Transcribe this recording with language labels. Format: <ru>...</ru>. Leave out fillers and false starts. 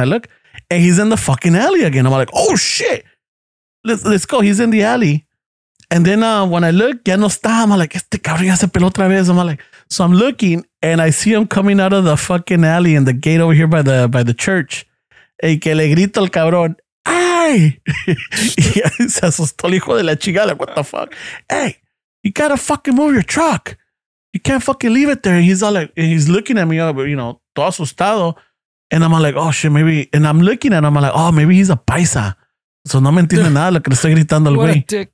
<en>And I look, and he's in the fucking alley again. I'm like, oh shit. Let's go. He's in the alley. And then when I look,</en> <es>ya no está.</es> <en>I'm like,</en> <es>este cabrón ya se peló otra vez.</es> <en>I'm like, so I'm looking and I see him coming out of the fucking alley in the gate over here by the church.</en> <es>Y que le grito al cabrón, ay. Y se asustó el hijo de la chingada.</es> <en>Like, what the fuck? Hey, you gotta fucking move your truck. You can't fucking leave it there. And he's all like, and he's looking at me, you know,</en> <es>todo asustado.</es> <en>And I'm like, oh shit, maybe. And I'm looking at him, I'm like, oh, maybe he's a paisa.</en> <es>So no me entiende nada lo que le estoy gritando al güey.</es>